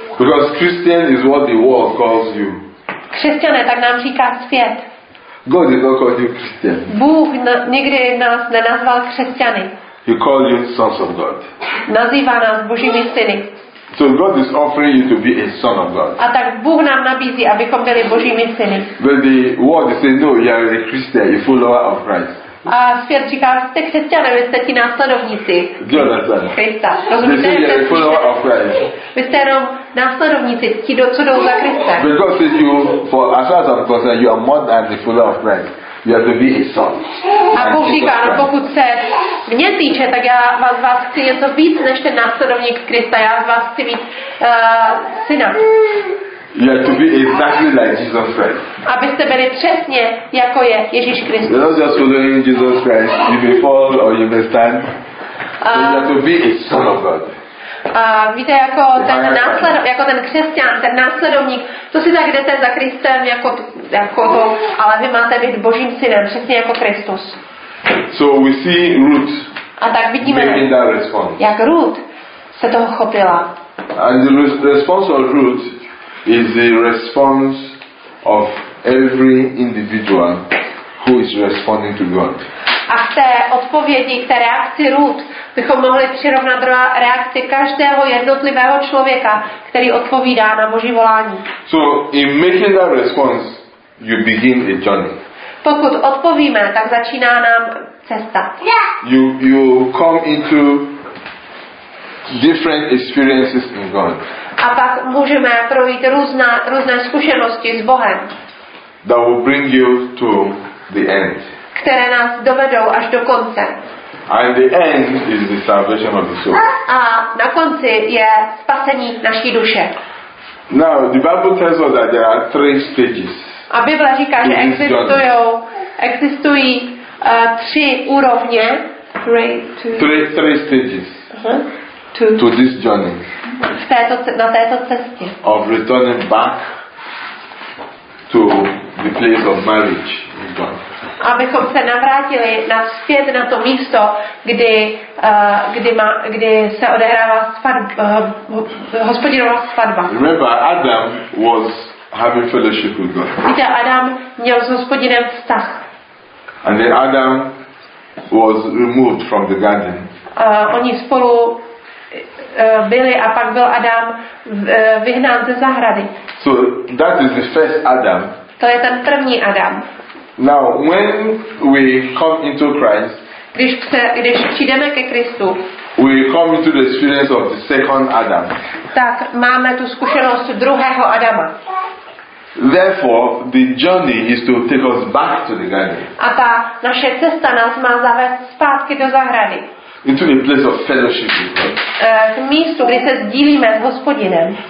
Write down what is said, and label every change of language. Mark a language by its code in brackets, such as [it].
[en] Because Christian is what the world calls you. [cs] Křesťané, tak nám říká svět. [en] God did not call you Christian. [cs] Bůh nikdy nás nenazval křesťany. [en] He called you sons of God. [cs] Nazývá nás Božími syny. [en] So God is offering you to be a son of God. [cs] A tak Bůh nám nabízí, abychom byli Božími syny. [en] But the world is saying, no, you are a Christian, a follower of Christ. [cs] A svět říká, jste křesťané, vy jste ti následovníci Krista. Rozumíte, jste [en] a follower of Christ. [cs] Vy jste jenom následovníci, ti, co jdou za Krista. [en] But God says you, for as far as I'm concerned, you are more than a follower of Christ. You have to be his son. [cs] A Bůh říká, no pokud se mě týče, tak já vás chci něco víc než ten následovník Krista. Já vás chci mít syna. [en] You have to be exactly like Jesus Christ. [cs] Abyste byli přesně, jako je Ježíš Kristus. [en] You're not just following Jesus Christ. You may fall or you may stand. You have to be his son of God. [cs] A víte, jako ten křesťan, ten následovník, to si tak jdete za Kristem, jako to, ale vy máte být Božím synem, přesně jako Kristus. [en] So we see Ruth. [cs] A tak vidíme, jak Ruth se toho chopila. [en] And the response of Ruth is the response of every individual who is responding to God. [cs] A k té odpovědi, k té reakci Ruth, bychom mohli přirovnat reakci každého jednotlivého člověka, který odpovídá na Boží volání. [en] So in making that response, you begin a journey. [cs] Pokud odpovíme, tak začíná nám cesta. [en] You come into different experiences in God. [cs] A pak můžeme projít různé zkušenosti s Bohem. [en] That will bring you to the end. [cs] Které nás dovedou až do konce. [en] And the end is the salvation of the soul. [cs] A na konci je spasení naší duše. [en] Now the Bible tells us that there are three stages. [cs] A Bible říká, že existují tři úrovně. [en] Three stages. To this journey. [cs] Na této cestě. [en] Of returning back to the place of marriage with God. [cs] Abychom se navrátili zpět na to místo, kdy se odehrává Hospodinova svatba. [en] Remember, Adam was having fellowship with God. [cs] Víte, Adam měl s Hospodinem vztah. [en] And then Adam was removed from the garden. [cs] Oni spolu byli a pak byl Adam vyhnán ze zahrady. [en] So that is the first Adam. [cs] To je ten první Adam. [en] Now, when we come into Christ, [cs] když přijdeme ke Kristu, [en] we come into the experience of the second Adam. [cs] Tak máme tu zkušenost druhého Adama. [en] Therefore, the journey is to take us back to the garden. [cs] A ta naše cesta nás má zavést zpátky do zahrady. [en] Into a place of fellowship with God. [cs] K místu, kde se sdílíme s Hospodinem.